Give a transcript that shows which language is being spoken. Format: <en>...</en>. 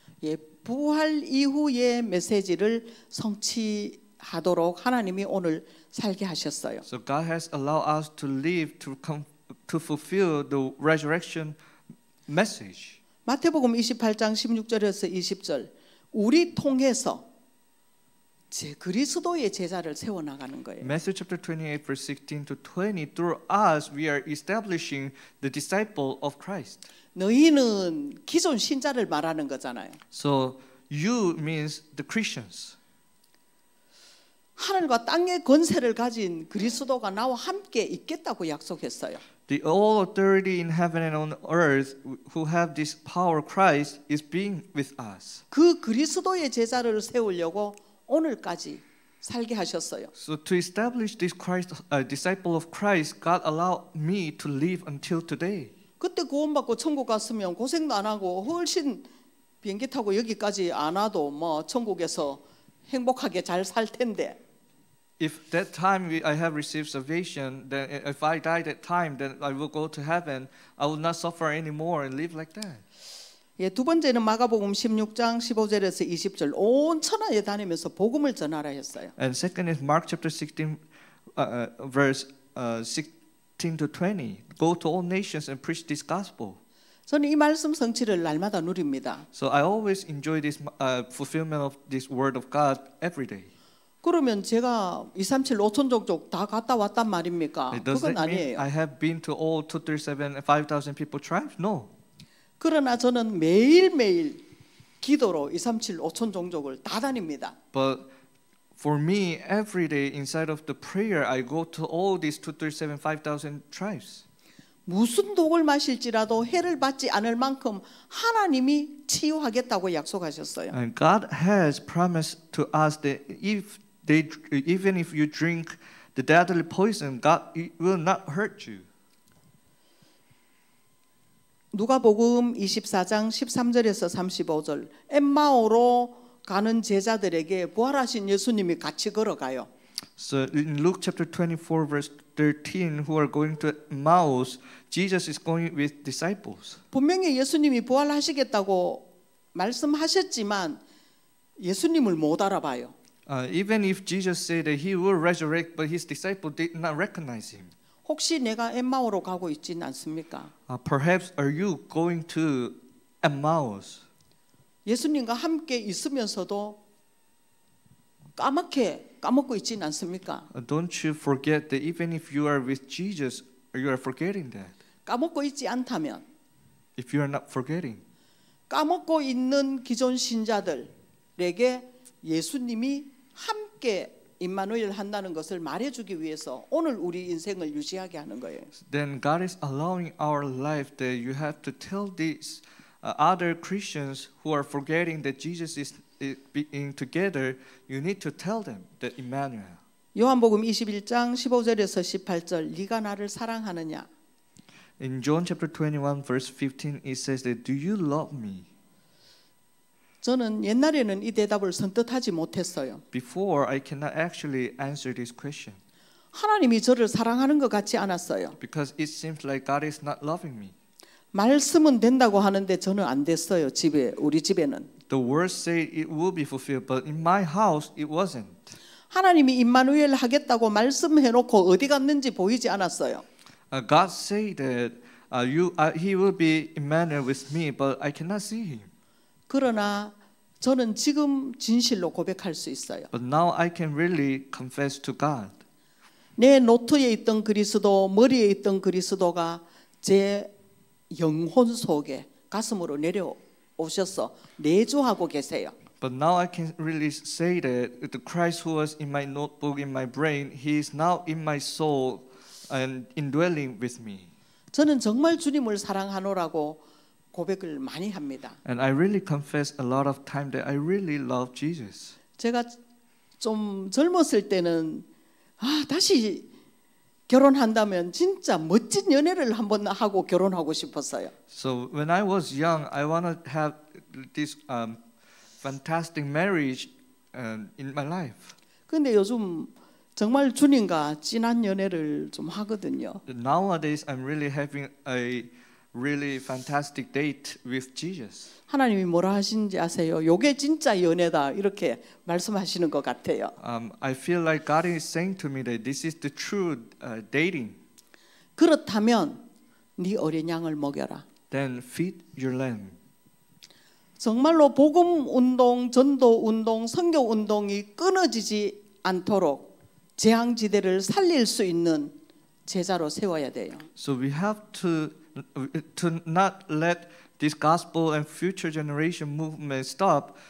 <ko>예, 부활 이후의 메시지를 성취하도록 하나님이 오늘 살게 하셨어요.</ko> <en>So God has allowed us to live to fulfill the resurrection message.</en> <ko>마태복음 28장 16절에서 20절 우리 통해서 제 그리스도의 제자를 세워 나가는 거예요.</ko> <en>Matthew chapter 28 verse 16 to 20 through us we are establishing the disciple of Christ.</en> <ko>너희는 기존 신자를 말하는 거잖아요.</ko> <en>So you means the Christians.</en> <ko>하늘과 땅의 권세를 가진 그리스도가 나와 함께 있겠다고 약속했어요.</ko> <en>The all authority in heaven and on earth who have this power Christ is being with us.</en> <ko>그 그리스도의 제자를 세우려고 오늘까지 살게 하셨어요.</ko> <en>So to establish this Christ disciple of Christ God allowed me to live until today.</en> <ko>그때 구원받고 천국 갔으면 고생도 안 하고 훨씬 비행기 타고 여기까지 안 와도 뭐 천국에서 행복하게 잘 살 텐데.</ko> <en>If that time I have received salvation, then if I die that time, then I will go to heaven. I will not suffer anymore and live like that.</en> <ko>예, 두 번째는 마가복음 16장 15절에서 20절 온 천하에 다니면서 복음을 전하라 했어요.</ko> <en>And second is Mark chapter 16 verse 16 to 20. Go to all nations and preach this gospel.</en> <ko>저는 이 말씀 성취를 날마다 누립니다.</ko> <en>So I always enjoy this fulfillment of this word of God every day.</en> <ko>그러면 제가 237 5천 종족 다 갔다 왔단 말입니까? 그건 아니에요.</ko> <en>I have been to all 237 5000 people tribes? No.</en> <ko>그러나 저는 매일매일 기도로 237 5천 종족을 다 다닙니다.</ko> <en>But for me every day inside of the prayer I go to all these 237 5000 tribes.</en> <ko>무슨 독을 마실지라도 해를 받지 않을 만큼 하나님이 치유하겠다고 약속하셨어요.</ko> <en>And God has promised to us that even if you drink the deadly poison, God will not hurt you.</en> <ko>누가복음 24장 13절에서 35절 엠마오로 가는 제자들에게 부활하신 예수님이 같이 걸어가요.</ko> <en>So in Luke chapter 24 verse 13 who are going to Emmaus, Jesus is going with disciples.</en> <ko>분명히 예수님이 부활하시겠다고 말씀하셨지만 예수님을 못 알아봐요.</ko> <en>Even if Jesus said that he will resurrect but his disciples did not recognize him.</en> <ko>혹시 내가 엠마오로 가고 있지 않습니까?</ko> <en>Perhaps are you going to Emmaus?</en> <ko>예수님과 함께 있으면서도 까먹고 있지 않습니까?</ko> <en>Don't you forget that even if you are with Jesus, you are forgetting that.</en> <ko>까먹고 있지 않다면</ko> <en>if you are not forgetting.</en> <ko>까먹고 있는 기존 신자들에게 예수님이 함께 임마누엘 한다는 것을 말해 주기 위해서 오늘 우리 인생을 유지하게 하는 거예요.</ko> <en>Then God is allowing our life that you have to tell these other Christians who are forgetting that Jesus is being together, you need to tell them that Emmanuel.</en> <ko>요한복음 21장 15절에서 18절 네가 나를 사랑하느냐?</ko> <en>In John chapter 21 verse 15 it says that do you love me?</en> <ko>저는 옛날에는 이 대답을 선뜻 하지 못했어요.</ko> <en>Before I cannot actually answer this question.</en> <ko>하나님이 저를 사랑하는 것 같지 않았어요.</ko> <en>Because it seems like God is not loving me.</en> <ko>말씀은 된다고 하는데 저는 안 됐어요. 집에 우리 집에는.</ko> <en>The words say it will be fulfilled, but in my house it wasn't.</en> <ko>하나님이 임마누엘 하겠다고 말씀해 놓고 어디 갔는지 보이지 않았어요.</ko> <en>God said that he will be Emmanuel with me, but I cannot see him.</en> <ko>그러나 저는 지금 진실로 고백할 수 있어요.</ko> <en>But now I can really confess to God.</en> <ko>내 노트에 있던 그리스도, 머리에 있던 그리스도가 제 영혼 속에 가슴으로 내려오셔서 내주하고 계세요.</ko> <en>But now I can really say that the Christ who was in my notebook, in my brain, he is now in my soul and indwelling with me.</en> <ko>저는 정말 주님을 사랑하노라고 고백을 많이 합니다.</ko> <en>And I really confess a lot of time that I really love Jesus.</en> <ko>제가 좀 젊었을 때는 다시 결혼한다면 진짜 멋진 연애를 한번 하고 결혼하고 싶었어요.</ko> <en>So when I was young, I wanted to have this fantastic marriage in my life.</en> <ko>근데 요즘 정말 주님과 진한 연애를 좀 하거든요.</ko> <en>Nowadays I'm really having a really fantastic date with Jesus.</en> <ko>하나님이 뭐라 하신지 아세요? 요게 진짜 연애다. 이렇게 말씀하시는 것 같아요.</ko> <en>I feel like God is saying to me that this is the true dating.</en> <ko>그렇다면 네 어린 양을 먹여라.</ko> <en>Then feed your lamb.</en> <ko>정말로 복음 운동, 전도 운동, 선교 운동이 끊어지지 않도록 재앙 지대를 살릴 수 있는 제자로 세워야 돼요.</ko> <en>So we have to not let this gospel and future generation movement stop.</en>